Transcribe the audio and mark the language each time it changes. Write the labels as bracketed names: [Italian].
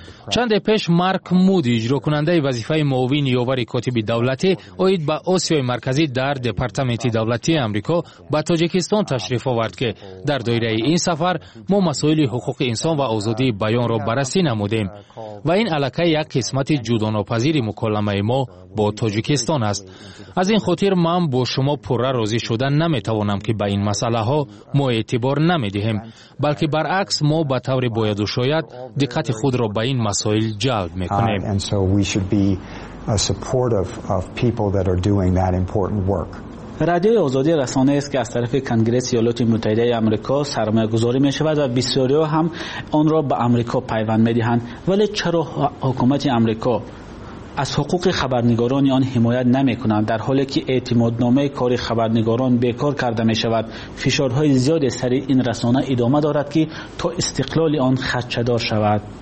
[Persian] چند پیش مارک مودی اجرا کننده وظیفه معاون یاور کاتب دولتی اوید به آسیای مرکزی در دپارتمنت دولتی امریکا به تاجیکستان تشریف آورد که در دایره این سفر ما مسائل حقوق انسان و آزادی بیان را بررسی نمودیم و این علاقه یک قسمت جداناپذیر مکالمه ما با تاجیکستان است. از این خاطر من با شما پوره راضی شدن نمیتوانم که به این مسئله ها ما اعتبار نمیدهیم، بلکه برعکس ما به طور باید و شاید دقت خود را به این مسائل جلب میکنیم. [English] And so we should be supportive of people that are doing that important work. [Persian] رادیوی آزادی رسانه است که از طرف کنگرس ایالات متحده آمریکا سرمایه گذاری می شود و بسیاری هم آن را به آمریکا پیوند می دهند، ولی چرا حکومت آمریکا از حقوق خبرنگاران آن حمایت نمی کنند در حالی که اعتمادنامه کار خبرنگاران بیکار کرده می شود؟ فشارهای زیاد سر این رسانه ادامه دارد که تا استقلال آن خدشه‌دار شود.